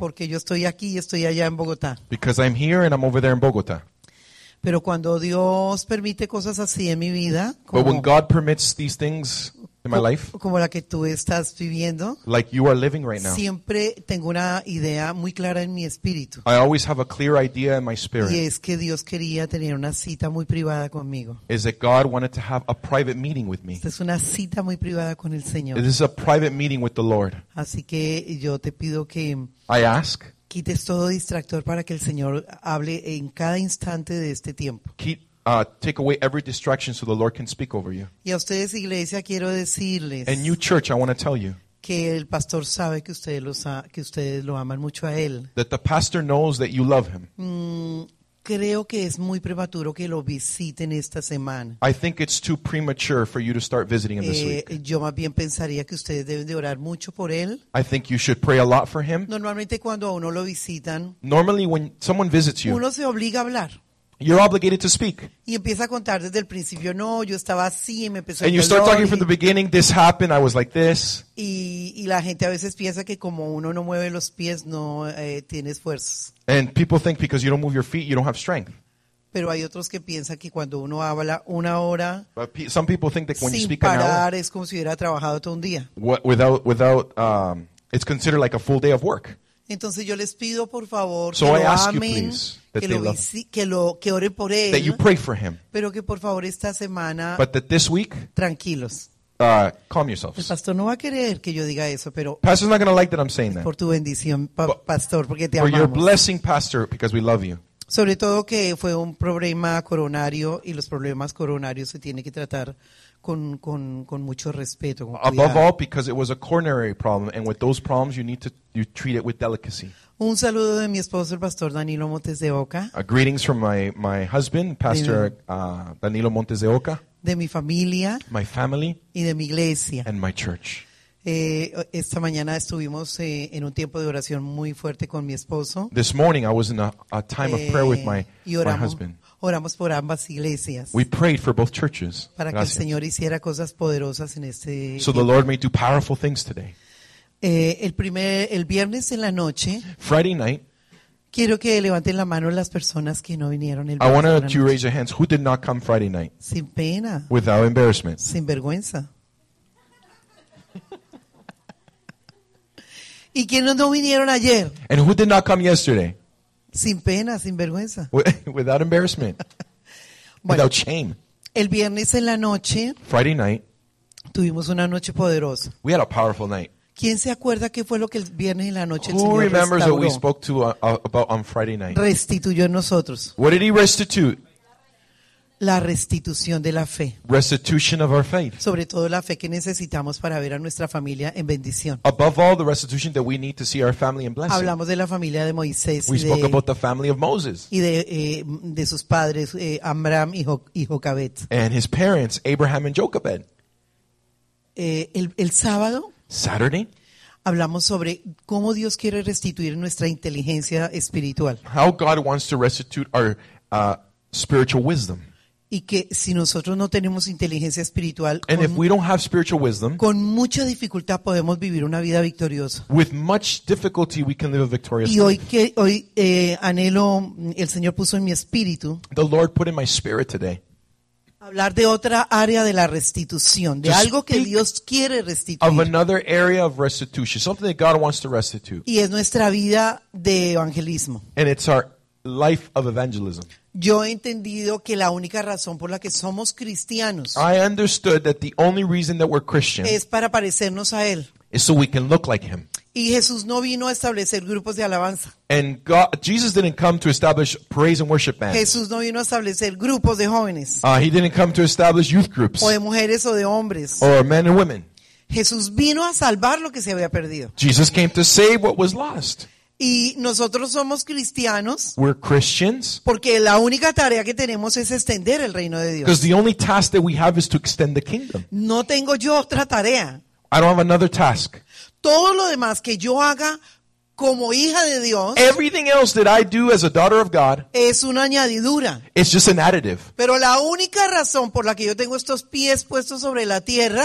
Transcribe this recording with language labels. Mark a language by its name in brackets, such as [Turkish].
[Spanish] Porque yo estoy aquí y estoy allá en Bogotá. [English] Because I'm here and I'm over there in Bogotá. [Spanish] Pero cuando Dios permite cosas así en mi vida, [English] but when God permits these things in my life, [Spanish] como la que tú estás viviendo, [English] like you are living right now, [Spanish] siempre tengo una idea muy clara en mi espíritu. [English] I always have a clear idea in my spirit. [Spanish] Y es que Dios quería tener una cita muy privada conmigo. [English] Is that God wanted to have a private meeting with me? [Spanish] Esta es una cita muy privada con el Señor. [English] This is a private meeting with the Lord. [Spanish] Así que yo te pido que [English] I ask, [Spanish] quites todo distractor para que el Señor hable en cada instante de este tiempo. [English] Take away every distraction so the Lord can speak over you. [Spanish] Y a ustedes, iglesia, quiero decirles, [English] and you, church, I want to tell you, [Spanish] que el pastor sabe que ustedes lo aman mucho a él. [English] That the pastor knows that you love him. [Spanish] Creo que es muy prematuro que lo visiten esta semana. [English] I think it's too premature for you to start visiting him this week. [Spanish] Yo más bien pensaría que ustedes deben de orar mucho por él. [English] I think you should pray a lot for him. [Spanish] Normalmente cuando a uno lo visitan, [English] normally when someone visits you, [Spanish] uno se obliga a hablar. [English] You're obligated to speak. [Spanish] Y empieza a contar desde el principio. No, yo estaba así y me empezó. [English] And you start talking from the beginning. This happened. I was like this. [Spanish] Y la gente a veces piensa que como uno no mueve los pies no tiene esfuerzos. [English] And people think because you don't move your feet you don't have strength. [Spanish] Pero hay otros que piensan que cuando uno habla una hora, [English] but some people think that when you speak [Spanish] parar, [English] an hour, [Spanish] es como si hubiera trabajado todo un día. [English] Without it's considered like a full day of work. [Spanish] Entonces yo les pido por favor [English] so [Spanish] que lo [English] ask [Spanish] amen, [English] you, please, that [Spanish] que lo que oren por él, [English] that you pray for him, [Spanish] pero que por favor esta semana, [English] but that this week, [Spanish] tranquilos, [English] calm yourselves. [Spanish] El pastor no va a querer que yo diga eso, pero [English] pastor's not going to like that I'm saying that. [Spanish] Por tu bendición, pastor, porque te [English] for [Spanish] amamos. [English] For your blessing, pastor, because we love you. [Spanish] Sobre todo que fue un problema coronario y los problemas coronarios se tienen que tratar con mucho respeto, con cuidado. [English] Above all, because it was a coronary problem, and with those problems, you treat it with delicacy. [Spanish] Un saludo de mi esposo, el pastor Danilo Montes de Oca. [English] A greetings from my husband, Pastor Danilo Montes de Oca. [Spanish] De mi familia. [English] My family. [Spanish] Y de mi iglesia. [English] And my church. [Spanish] Esta mañana estuvimos en un tiempo de oración muy fuerte con mi esposo. [English] This morning, I was in a time of prayer with my husband. [Spanish] Oramos por ambas iglesias. [English] We prayed for both churches. [Spanish] Para gracias. Que el Señor hiciera cosas poderosas en este. [English] So the Lord may do powerful things today. [Spanish] El viernes en la noche. [English] Friday night. [Spanish] Quiero que levanten la mano las personas que no vinieron el viernes. [English] I want you to raise your hands who did not come Friday night. [Spanish] Sin pena. [English] Without embarrassment. [Spanish] Sin vergüenza. ¿Y quiénes no vinieron ayer? [English] And who did not come yesterday. [Spanish] Sin pena, sin vergüenza. [English] Without embarrassment. [Spanish] Bueno, [English] without shame. [Spanish] El viernes en la noche. [English] Friday night. [Spanish] Tuvimos una noche poderosa. [English] We had a powerful night. [Spanish] ¿Quién se acuerda qué fue lo que el viernes en la noche [English] who [Spanish] el Señor [English] remembers [Spanish] restauró? [English] What we spoke to about on Friday night? [Spanish] Restituyó en nosotros. [English] What did he restitute? [Spanish] La restitución de la fe. [English] Restitution of our faith. [Spanish] Sobre todo la fe que necesitamos para ver a nuestra familia en bendición. [English] Above all, the restitution that we need to see our family in blessing. [Spanish] Hablamos de la familia de Moisés. [English] We spoke about the family of Moses. [Spanish] Y de sus padres, Abraham y Jocabet. [English] And his parents, Abraham and Jochebed. [Spanish] El sábado. [English] Saturday. [Spanish] Hablamos sobre cómo Dios quiere restituir nuestra inteligencia espiritual. [English] How God wants to restitute our spiritual wisdom. [Spanish] Y que si nosotros no tenemos inteligencia espiritual, [English] and if we don't have spiritual wisdom, [Spanish] con mucha dificultad podemos vivir una vida victoriosa. [English] With much difficulty we can live a victorious life. [Spanish] Y hoy anhelo, el Señor puso en mi espíritu. [English] The Lord put in my spirit today. [Spanish] Hablar de otra área de la restitución, de algo que Dios quiere restituir. [English] Of another area of restitution, something that God wants to restitute. [Spanish] Y es nuestra vida de evangelismo. [English] And it's our life of evangelism. [Spanish] Yo he entendido que la única razón por la que somos cristianos, [English] I understood that the only reason that we're Christian, [Spanish] es para parecernos a Él. [English] Is so we can look like Him. [Spanish] Y Jesús no vino a establecer grupos de alabanza. [English] And God, Jesus didn't come to establish praise and worship bands. [Spanish] Jesús no vino a establecer grupos de jóvenes. [English] He didn't come to establish youth groups. [Spanish] O de mujeres o de hombres. [English] Or men and women. [Spanish] Jesús vino a salvar lo que se había perdido. [English] Jesus came to save what was lost. [Spanish] Y nosotros somos cristianos. [English] We're Christians. [Spanish] Porque la única tarea que tenemos es extender el reino de Dios. [English] Because the only task that we have is to extend the kingdom. [Spanish] No tengo yo otra tarea. [English] I don't have another task. [Spanish] Todo lo demás que yo haga como hija de Dios, [English] everything else that I do as a daughter of God, [Spanish] es una añadidura. [English] It's just an additive. [Spanish] Pero la única razón por la que yo tengo estos pies puestos sobre la tierra,